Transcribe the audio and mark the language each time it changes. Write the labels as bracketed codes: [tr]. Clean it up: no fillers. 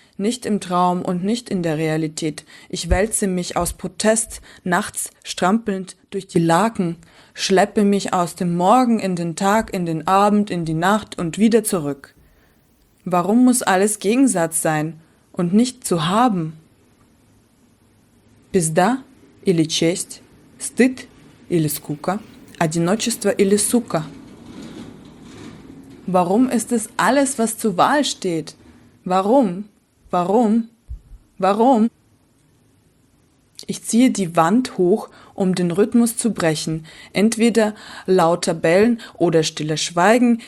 [de] Nicht im Traum und nicht in der Realität. Ich wälze mich aus Protest, nachts strampelnd durch die Laken, schleppe mich aus dem Morgen in den Tag, in den Abend, in die Nacht und wieder zurück. Warum muss alles Gegensatz sein und nicht zu haben? [ru] Пизда или честь, стыд или скука, одиночество или сука. [de] Warum ist es alles, was zur Wahl steht? Warum? Warum? Warum? Ich ziehe die Wand hoch, um den Rhythmus zu brechen. Entweder lauter bellen oder stiller Schweigen.